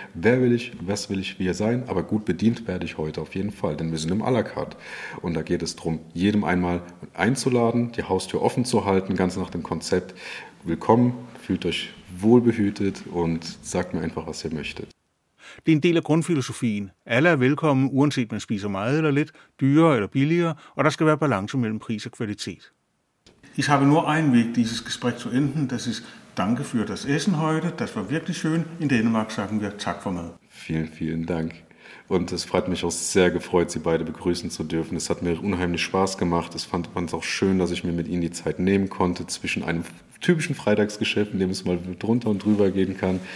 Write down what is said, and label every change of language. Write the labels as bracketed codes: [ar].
[de] Wer will ich, was will ich hier sein? Aber gut bedient werde ich heute auf jeden Fall, denn wir sind im à la carte. Und da geht es darum, jedem einmal einzuladen, die Haustür offen zu halten, ganz nach dem Konzept. Willkommen, fühlt euch wohlbehütet und sagt mir einfach, was ihr möchtet. [da] Det er en del af grundfilosofien. Alle er velkommen, uanset man spiser meget eller lidt, dyrere eller billigere, og der skal være balance mellem pris og kvalitet. [de] Ich habe nur einen Weg, dieses Gespräch zu enden. Das ist danke für das Essen heute. Das war wirklich schön. In Dänemark sagen wir [da] tak for mad. [de] Vielen, vielen Dank. Und es freut mich auch sehr gefreut, Sie beide begrüßen zu dürfen. Es hat mir unheimlich Spaß gemacht. Es fand man es auch schön, dass ich mir mit Ihnen die Zeit nehmen konnte zwischen einem typischen Freitagsgeschäft, in dem es mal drunter und drüber gehen kann.